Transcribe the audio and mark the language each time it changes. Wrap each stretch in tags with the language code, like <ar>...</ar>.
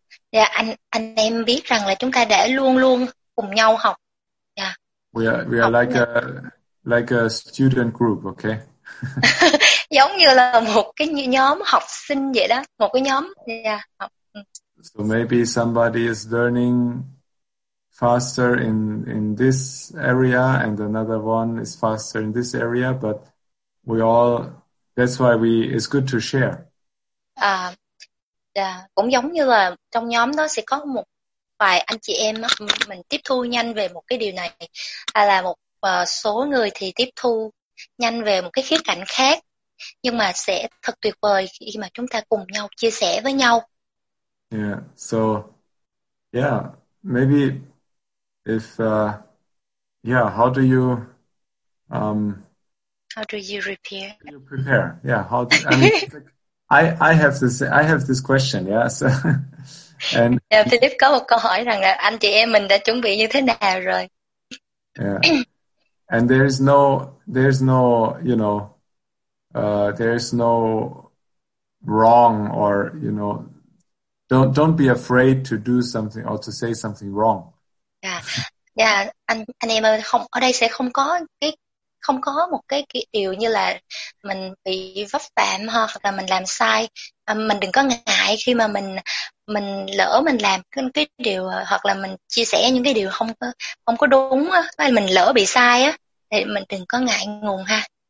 <vi>Yeah, anh em biết rằng là chúng ta đã luôn luôn cùng nhau học.</vi> <en>We are like a student group, okay?</en> <vi>Giống như là một cái nhóm học sinh vậy đó, một cái nhóm học.</vi> <en>So maybe somebody is learning faster in this area and another one is faster in this area, but it's good to share.</en> <vi>Cũng giống như là trong nhóm đó sẽ có một vài anh chị em mình tiếp thu nhanh về một cái điều này, hay là một số người thì tiếp thu nhanh về một cái khía cạnh khác, nhưng mà sẽ thật tuyệt vời khi mà chúng ta cùng nhau chia sẻ với nhau.</vi> <en>Yeah, so yeah, maybe if yeah, how do you how do you repair? How do you prepare? Yeah, how do, I mean, I have this question, yeah. So, and</en> <vi>yeah, Philip có một câu hỏi rằng là anh chị em mình đã chuẩn bị như thế nào rồi. Yeah.</vi> <en>And there's no wrong, or you know, don't be afraid to do something or to say something wrong.</en> <vi>Anh em ơi, không, ở đây sẽ không có cái không có một cái điều như là mình bị vấp phạm ha, hoặc là mình làm sai. Mình đừng có ngại khi mà mình lỡ mình làm cái điều, hoặc là mình chia sẻ những cái điều không có đúng á, hay mình lỡ bị sai á, thì mình đừng có ngại ngùng ha.</vi>